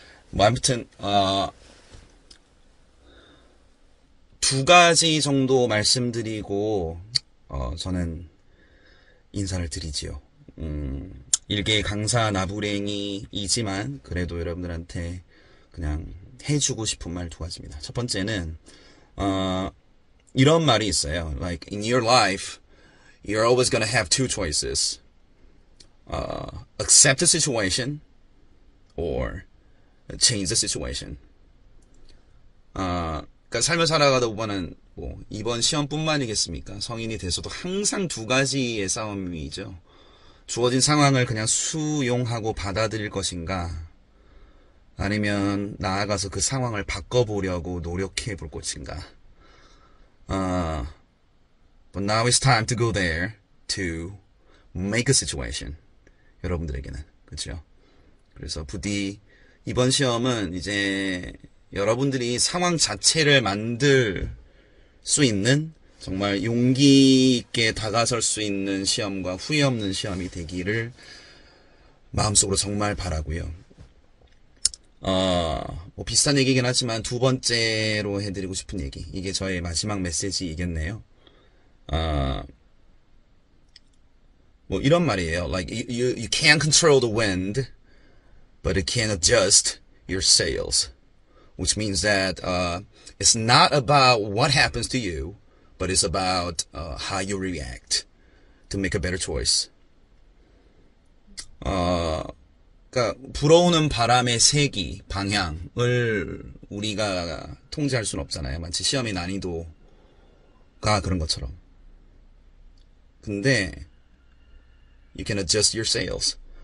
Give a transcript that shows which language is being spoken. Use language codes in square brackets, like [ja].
[ko] 뭐 아무튼 두 가지 정도 말씀드리고 저는 인사를 드리지요. 일개 강사 나부랭이이지만 그래도 여러분들한테 그냥 해주고 싶은 말두 가지입니다. 첫 번째는 이런 말이 있어요. [en] Like in your life, you're always gonna have two choices. Accept the situation or change the situation. [ko] 그러니까 삶을 살아가다 보면은 뭐 이번 시험뿐만이겠습니까? 성인이 돼서도 항상 두 가지의 싸움이죠. 주어진 상황을 그냥 수용하고 받아들일 것인가? 아니면 나아가서 그 상황을 바꿔보려고 노력해 볼 것인가? [en] But now it's time to go there to make a situation. [ko] 여러분들에게는. 그렇죠? 그래서 부디 이번 시험은 이제 여러분들이 상황 자체를 만들 수 있는 정말 용기 있게 다가설 수 있는 시험과 후회 없는 시험이 되기를 마음속으로 정말 바라고요. 뭐 비슷한 얘기긴 하지만 두 번째로 해드리고 싶은 얘기. 이게 저의 마지막 메시지이겠네요. 뭐 이런 말이에요. [en] Like you can't control the wind, but you can adjust your sails. Which means that it's not about what happens to you, but it's about how you react to make a better choice. [ko] 그러니까 불어오는 바람의 세기, 방향을 우리가 통제할 순 없잖아요. 마치 시험의 난이도가 그런 것처럼. 근데 [en] you can adjust your sails.